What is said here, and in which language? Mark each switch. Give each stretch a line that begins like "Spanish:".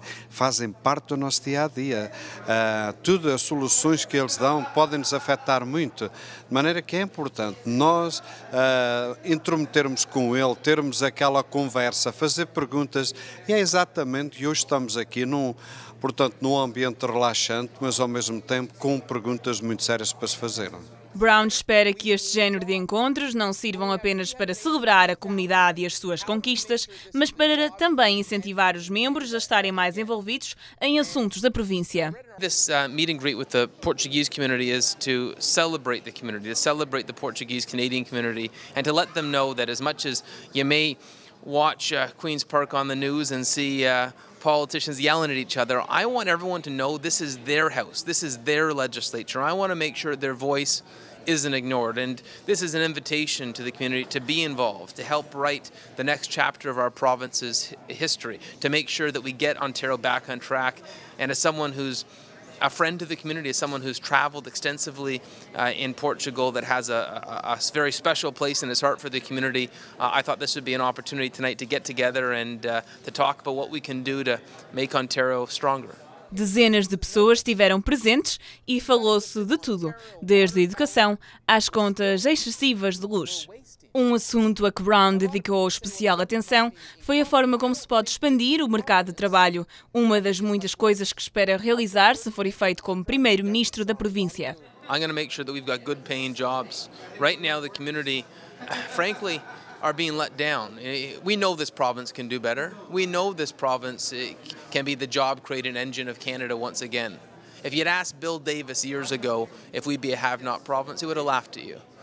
Portuguese: Fazem parte do nosso dia-a-dia. Tudo, as soluções que eles dão podem nos afetar muito, de maneira que é importante nós intrometermos com ele, termos aquela conversa, fazer perguntas, e é exatamente, e hoje estamos aqui num ambiente relaxante, mas ao mesmo tempo com perguntas muito sérias para se fazer. Brown espera que este género de encontros não sirvam apenas para celebrar a comunidade e as suas conquistas, mas para também incentivar os membros a estarem mais envolvidos em assuntos da província.
English: This meet and greet with the Portuguese community is to celebrate the community, to celebrate the Portuguese Canadian community, and to let them know that as much as you may watch Queen's Park on the news and see politicians yelling at each other, I want everyone to know this is their house, this is their legislature. I want to make sure their voice isn't ignored, and this is an invitation to the community to be involved, to help write the next chapter of our province's history, to make sure that we get Ontario back on track. And as someone who's a friend to the community, as someone who's traveled extensively in Portugal, that has a very special place in his heart for the community, I thought this would be an opportunity tonight to get together and to talk about what we can do to make Ontario stronger.
Portuguese: Dezenas de pessoas estiveram presentes e falou-se de tudo, desde a educação às contas excessivas de luz. Um assunto a que Brown dedicou especial atenção foi a forma como se pode expandir o mercado de trabalho, uma das muitas coisas que espera realizar se for eleito como primeiro-ministro da província.
English: I'm going to make sure that we've got good paying jobs. Right now the community, frankly, are being let down. We know this province can do better. We know this province can be the job-creating engine of Canada once again. If you'd asked Bill Davis years ago if we'd be a have-not province, he would have laughed at you.